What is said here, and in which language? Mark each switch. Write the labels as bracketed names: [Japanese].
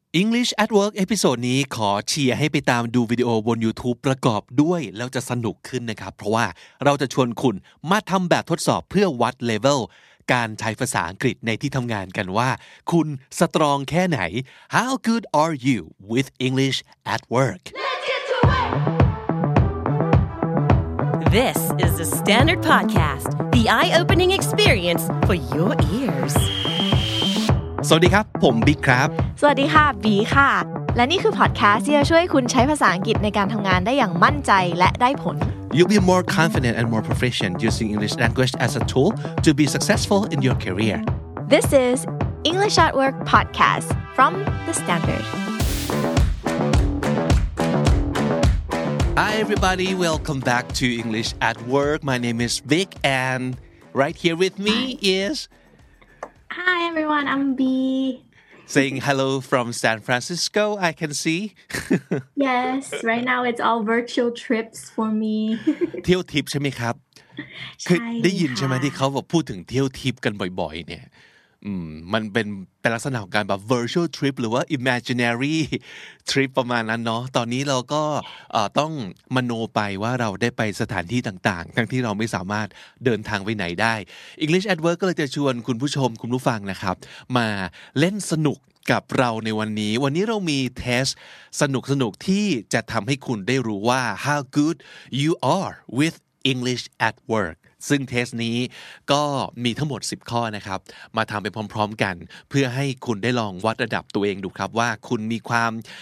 [Thai] English at Work เอพิโซดนี้ขอเชียร์ให้ไปตามดูวิดีโอบน YouTube ประกอบด้วยแล้วจะสนุกขึ้นนะครับเพราะว่าเราจะชวนคุณมาทำแบบทดสอบเพื่อวัดเลเวลการใช้ภาษาอังกฤษในที่ทำงานกันว่าคุณสตรองแค่ไหน [English] How good are you with English at Work? Let's get to work! This is the Standard Podcast The eye-opening experience for your ears. [Thai] สวัสดีครับผมบิ๊กครับ สวัสดีค่ะบีค่ะและนี่คือพอดแคสต์ที่จะช่วยคุณใช้ภาษาอังกฤษในการทำงานได้อย่างมั่นใจและได้ผล [English] You'll be more confident and more proficient using English language as a tool to be successful in your career. This is English at Work podcast from the Standard. Hi everybody, welcome back to English at Work. My name is Vic, and right here with me is. Hi everyone, I'm Bee. Saying hello from San Francisco, I can see. Yes, right now it's all virtual trips for me. [Thai] เที่ยวทิปใช่ไหมครับ ใช่ได้ยินใช่ไหมที่เขาบอกพูดถึงเที่ยวทิปกันบ่อยๆเนี่ยมันเป็นลักษณะของการแบบ virtual trip หรือว่า imaginary trip ประมาณนั้นเนาะตอนนี้เราก็ ต้องมโนไปว่าเราได้ไปสถานที่ต่างๆทั้งที่เราไม่สามารถเดินทางไปไหนได้ English at Work ก็เลยจะชวนคุณผู้ชมคุณผู้ฟังนะครับมาเล่นสนุกกับเราในวันนี้วันนี้เรามีเทสสนุกๆที่จะทำให้คุณได้รู้ว่า [English] how good you are with English at work [Thai] ซึ่งเทสนี้ก็มีทั้งหมด10ข้อนะครับมาทำไปพร้อมๆกันเพื่อให้คุณได้ลองวัดระดับตัวเองดูครับว่าคุณมีความ